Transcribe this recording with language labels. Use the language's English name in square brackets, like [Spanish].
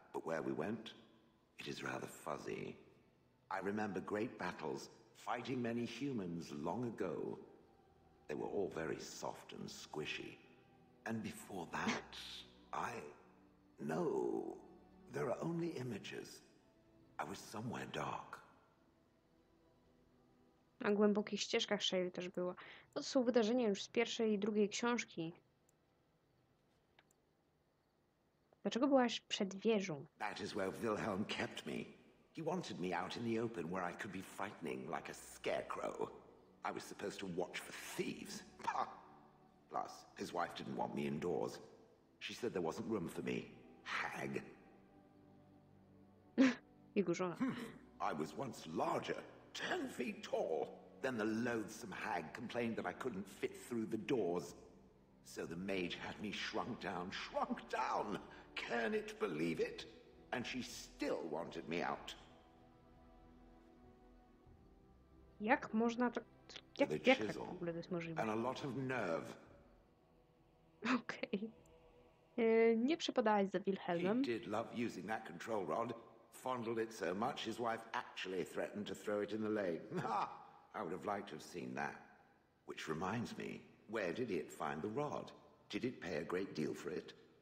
[English] But where we went, it is rather fuzzy. I remember great battles, fighting many humans long ago. They were all very soft and squishy. And before that, I... No, there are only images. I was somewhere dark. [Polish] Na głębokich ścieżkach Shale też było. To są wydarzenia już z pierwszej i drugiej książki. Dlaczego byłaś przed wieżą? [English] That is where Wilhelm kept me. He wanted me out in the open where I could be frightening like a scarecrow. I was supposed to watch for thieves. Pah! Plus, his wife didn't want me indoors. She said there wasn't room for me. Hag. Jegurzona. I was once larger, 10 feet tall. Then the loathsome hag complained that I couldn't fit through the doors. So the mage had me shrunk down, can it believe it? And she still wanted me out. [Polish] Jak można to... Jak to w ogóle to jest możliwe? [English] And a lot of nerve. [Polish] Okej. Nie przepadałaś za Wilhelmem. [English] He did love using that control rod. Fondled it so much, his wife actually threatened to throw it in the lake. I would have liked to have seen that. Which reminds me, where did it find the rod? Did it pay a great deal for it?